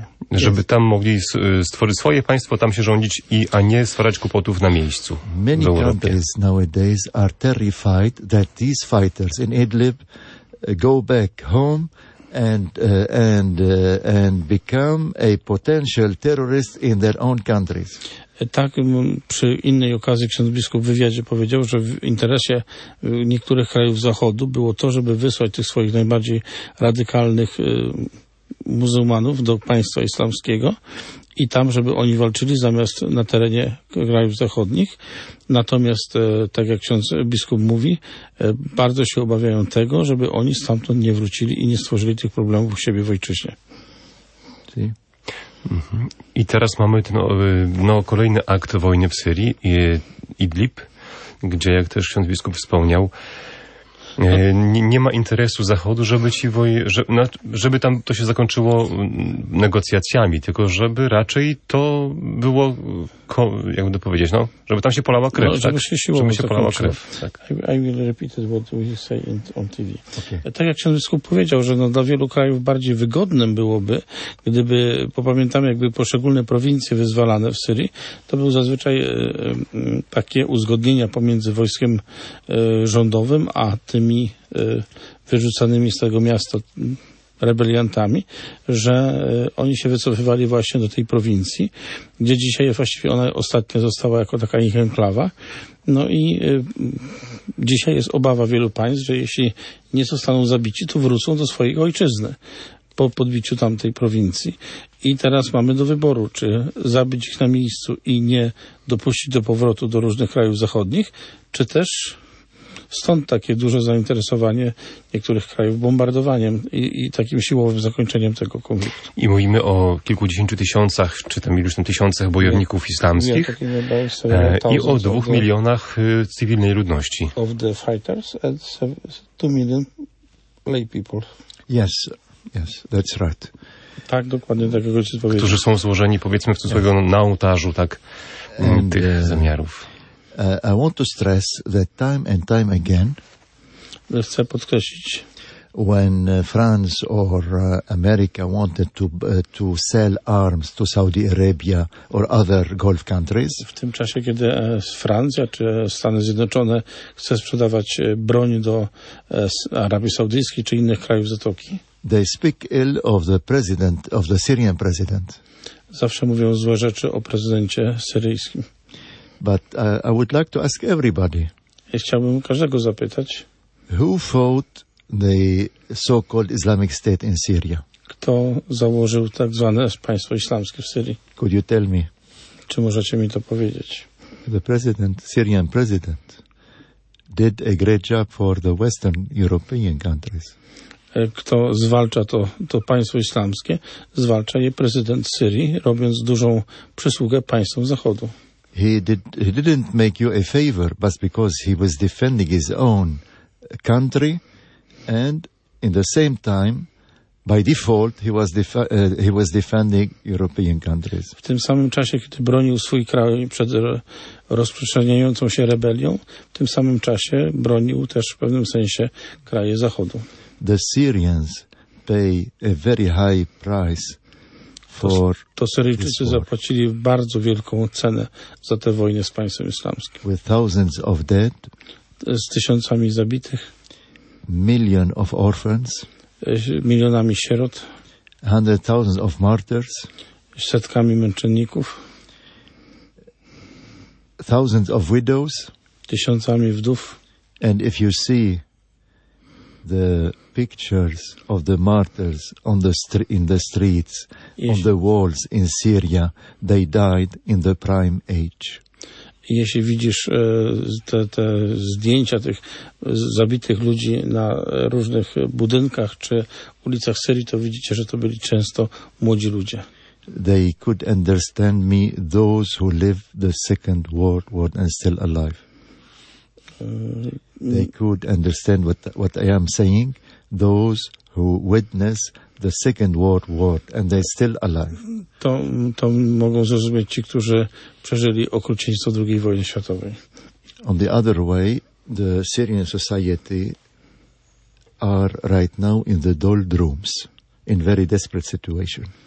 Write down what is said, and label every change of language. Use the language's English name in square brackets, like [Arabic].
[Polish] Żeby tam mogli stworzyć swoje państwo, tam się rządzić, a nie stwarzać kłopotów na miejscu. [English] Many countries nowadays are terrified that these fighters in Idlib go back home and become a potential terrorist in their own countries. [Polish] Tak, przy innej okazji ksiądz biskup w wywiadzie powiedział, że w interesie niektórych krajów Zachodu było to, żeby wysłać tych swoich najbardziej radykalnych muzułmanów do państwa islamskiego i tam, żeby oni walczyli zamiast na terenie krajów zachodnich. Natomiast, tak jak ksiądz biskup mówi, bardzo się obawiają tego, żeby oni stamtąd nie wrócili i nie stworzyli tych problemów u siebie w ojczyźnie. I teraz mamy kolejny akt wojny w Syrii, Idlib, gdzie, jak też ksiądz biskup wspomniał, nie ma interesu Zachodu, żeby tam to się zakończyło negocjacjami, tylko żeby raczej to było, jak będę powiedzieć, no, żeby tam się polała krew, żeby tak? Się siłą żeby się polała krew. Tak. [English] I will repeat what we say on TV. Okay. [Polish] Tak jak ksiądz biskup powiedział, że no, dla wielu krajów bardziej wygodnym byłoby, gdyby, popamiętamy, jakby poszczególne prowincje wyzwalane w Syrii, to były zazwyczaj takie uzgodnienia pomiędzy wojskiem rządowym, a tymi wyrzucanymi z tego miasta rebeliantami, że oni się wycofywali właśnie do tej prowincji, gdzie dzisiaj właściwie ona ostatnio została jako taka ich enklawa. No i dzisiaj jest obawa wielu państw, że jeśli nie zostaną zabici, to wrócą do swojej ojczyzny po podbiciu tamtej prowincji. I teraz mamy do wyboru, czy zabić ich na miejscu i nie dopuścić do powrotu do różnych krajów zachodnich, czy też... Stąd takie duże zainteresowanie niektórych krajów bombardowaniem i takim siłowym zakończeniem tego konfliktu. I mówimy o kilkudziesięciu tysiącach, czy tam już tam tysiącach bojowników islamskich i o 2 milionach cywilnej ludności. [English] Of the fighters and 2 million lay people. Yes, that's right. [Polish] Tak, dokładnie tak, jak ktoś powiedział. Którzy są złożeni, powiedzmy, w cudzysłowie na ołtarzu, tak, tych zamiarów. [English] I want to stress that time and time again, [Polish] chcę podkreślić, [English] when France or America wanted to sell arms to Saudi Arabia or other Gulf countries, [Polish] w tym czasie, kiedy Francja czy Stany Zjednoczone chce sprzedawać broń do Arabii Saudyjskiej czy innych krajów Zatoki, [English] they speak ill of the president, of the Syrian president. [Polish] Zawsze mówią złe rzeczy o prezydencie syryjskim. [English] But I would like to ask everybody. [Polish] Ja chciałbym każdego zapytać. [English] Who fought the so-called Islamic State in Syria? [Polish] Kto założył tak zwane państwo islamskie w Syrii? [English] Could you tell me? [Polish] Czy możecie mi to powiedzieć? [English] The president, Syrian president, did a great job for the Western European countries. [Polish] Kto zwalcza to państwo islamskie, zwalcza je prezydent Syrii, robiąc dużą przysługę państwom Zachodu. [English] He didn't make you a favor, but because he was defending his own country, and in the same time, by default, he was defending European countries. [Polish] W tym samym czasie, kiedy bronił swój kraj przed rozprzestrzeniającą się rebelią, w tym samym czasie bronił też w pewnym sensie kraje Zachodu. [English] The Syrians pay a very high price. [Polish] To Syryjczycy zapłacili bardzo wielką cenę za tę wojnę z państwem islamskim. [English] With thousands of dead, [Polish] z tysiącami zabitych, [English] million of orphans, [Polish] milionami sierot, [English] hundred thousands of martyrs, [Polish] setkami męczenników, [English] thousands of widows, [Polish] tysiącami wdów. [English] And if you see the pictures of the martyrs on the in the streets, on the walls in Syria, they died in the prime age. [Polish] Jeśli widzisz te zdjęcia tych zabitych ludzi na różnych budynkach czy ulicach Syrii, to widzicie, że to byli często młodzi ludzie. [English] They could understand me, those who live the Second World War and still alive. They could understand what I am saying, those who witness the Second World War and they're still alive. [Polish] To mogą zrozumieć ci, którzy przeżyli okrucieństwo II wojny światowej. [English] On the other way, the Syrian society are right now in the doldrums, in very desperate situation.